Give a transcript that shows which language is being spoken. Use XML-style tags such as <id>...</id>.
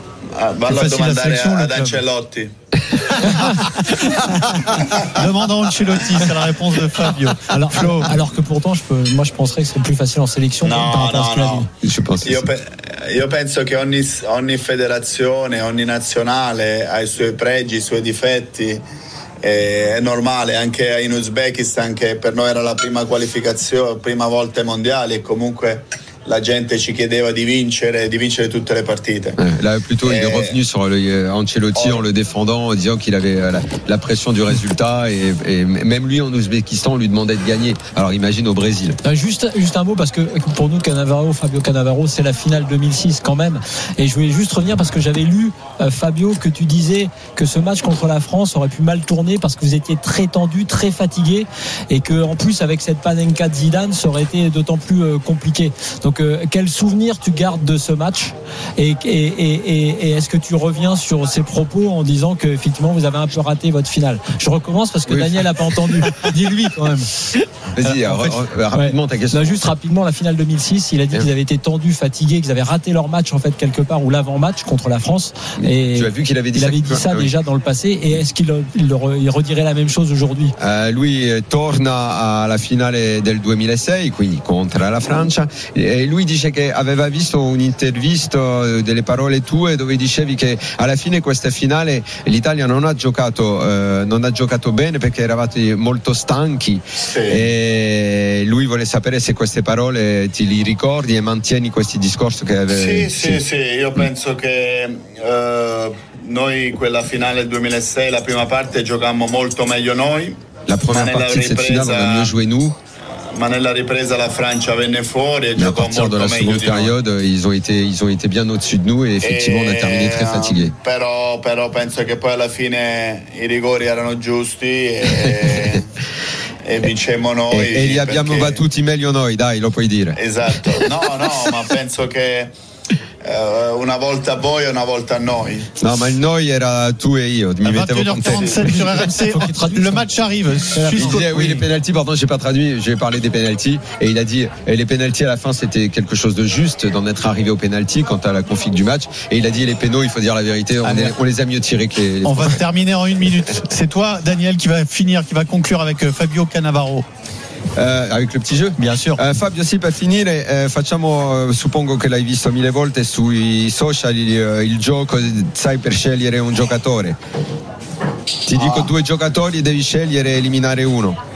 <it>Vado a domandare ad Ancelotti.</it> <fr>Demandant Ancelotti, c'est la réponse de Fabio. Alors, Flo. Alors que pourtant, je penserais que c'est plus facile en sélection. Non.</fr> <it>Io penso che ogni federazione, ogni nazionale ha i suoi pregi, i suoi difetti. È normale. Anche in Uzbekistan, che per noi era la prima qualificazione, prima volta mondiale, e comunque. La gente ci chiedeva di vincere tutte le partite.</it> <fr>Là plutôt il est revenu sur Ancelotti en le défendant en disant qu'il avait la pression du résultat et même lui en Ouzbékistan lui demandait de gagner. Alors imagine au Brésil. Juste un mot parce que pour nous Cannavaro, Fabio Cannavaro, c'est la finale 2006 quand même et je voulais juste revenir parce que j'avais lu Fabio que tu disais que ce match contre la France aurait pu mal tourner parce que vous étiez très tendu, très fatigué et que en plus avec cette Panenka de Zidane, ça aurait été d'autant plus compliqué. Donc quel souvenir tu gardes de ce match Et est-ce que tu reviens sur ses propos en disant que effectivement vous avez un peu raté votre finale? Je recommence parce que oui. Daniel n'a pas entendu. Dis-lui quand même. Vas-y, rapidement ta question. Non, juste rapidement, la finale 2006, il a dit qu'ils avaient été tendus, fatigués, qu'ils avaient raté leur match en fait quelque part, ou l'avant-match contre la France. Et tu as vu qu'il avait dit ça déjà dans le passé. Et est-ce qu'il il redirait la même chose aujourd'hui?</fr> <it>Lui torna à la finale del 2006, quindi</it> <fr>contre la</fr> <it>Francia. Et lui dice che aveva visto un'intervista delle parole tue dove dicevi che alla fine questa finale l'Italia non ha giocato non ha giocato bene perché eravate molto stanchi. E lui vuole sapere se queste parole ti li ricordi e mantieni questi discorsi che avevi. Sì. Io penso che noi quella finale 2006, la prima parte giocammo molto meglio noi. La prima parte della finale abbiamo</it> <fr>mieux joué nous.</fr> <it>Ma nella ripresa la Francia venne fuori e giocò molto meglio. Ma nella seconda periodo,</it> <fr>ils ont été bien au-dessus de nous et effectivement on a terminé très fatigué.</fr> <it>Però penso che poi alla fine i rigori erano giusti e vincemmo noi. E li abbiamo battuti meglio noi, dai, lo puoi dire. Esatto. No, ma penso che una volta voi e una volta noi. No, ma il noi era tu e io. Mi mettevo con te.</it> <fr>Le match arrive. Oui, les pénalties, pardon, j'ai pas traduit. J'ai parlé des pénalties. Et il a dit, et les pénalties à la fin, c'était quelque chose de juste d'en être arrivé aux pénalties quant à la config du match. Et il a dit, les pénaux, il faut dire la vérité, on les a mieux tirés que les. On va terminer en une minute. C'est toi, Daniel, qui va conclure avec Fabio Cannavaro. Avec le petit jeu, bien sûr.</fr> <it>Fabio, si per finire, facciamo, suppongo che l'hai visto mille volte sui social il gioco, sai, per scegliere un giocatore. Ti dico due giocatori, devi scegliere e eliminare uno.</it>